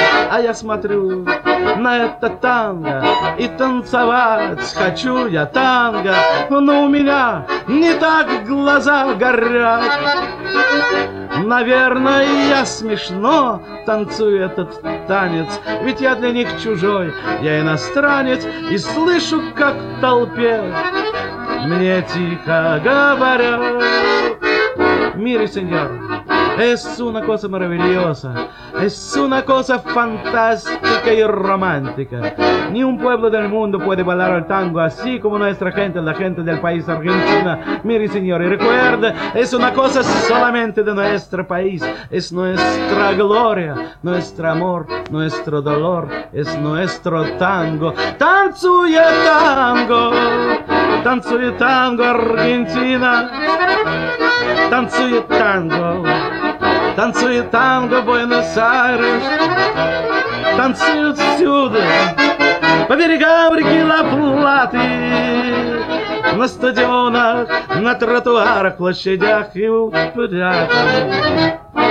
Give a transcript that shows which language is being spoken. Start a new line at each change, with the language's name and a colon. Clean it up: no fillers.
Russian: А я смотрю на это танго, и танцевать хочу я танго, но у меня не так глаза горят. Наверное, я смешно танцую этот танец, ведь я для них чужой, я иностранец, и слышу, как в толпе мне тихо говорят.
Spanish: Мири, сеньор, es una cosa maravillosa, es una cosa fantástica y romántica. Ni un pueblo del mundo puede bailar el tango así como nuestra gente, la gente del país Argentina. Mire, señores, recuerde, es una cosa solamente de nuestro país. Es nuestra gloria, nuestro amor, nuestro dolor, es nuestro tango.
Russian: ¡Tanzuye tango! ¡Tanzuye tango, Argentina! Танцует танго, танцует танго Буэнос-Айрес. Танцуют всюду, по берегам реки Ла-Платы, на стадионах, на тротуарах, площадях и у пляжей.